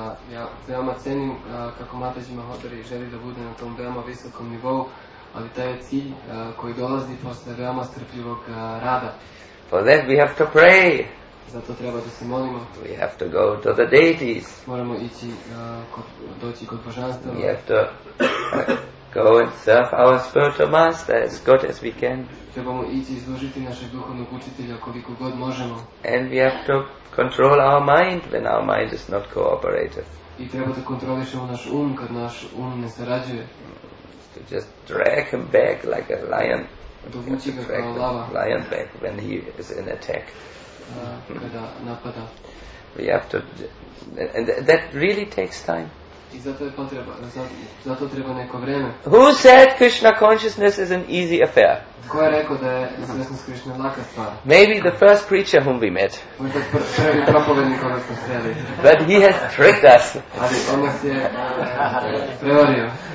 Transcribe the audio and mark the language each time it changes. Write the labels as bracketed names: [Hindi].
[Serbian] Ja veoma cenim kako Mataji Mahodari želi da bude na tom veoma visokom nivou, ali taj je cilj koji dolazi posle veoma strpljivog rada. [English] For that we have to pray. [Serbian] Zato treba da se molimo. [English] We have to go to the deities. [Serbian] Moramo ići doći kod božanstva. [English] We have to go and serve our spiritual master as good as we can. [Serbian] Trebamo ići izložiti našeg duhovnog učitelja koliko god možemo. [English] And we have to control our mind when our mind is not cooperative. [Serbian] I treba da kontrolišemo naš um kad naš um ne sarađuje. [English] To just drag him back like a lion. [Serbian] Dovući ga kao lava. [English] Lion back when he is in attack. [Serbian] Kada napada. [English] We have to, and that really takes time. [Serbian] I zato je potreba, zato treba neko vreme. [English] Who said Krishna consciousness is an easy affair? [Serbian] Ko je rekao da je svjesnost Krishna laka stvar? [English] Maybe the first preacher whom we met. [Serbian] Možda prvi propovednik koga smo sreli. [English] But he has tricked us. [Serbian] Ali on nas je prevario.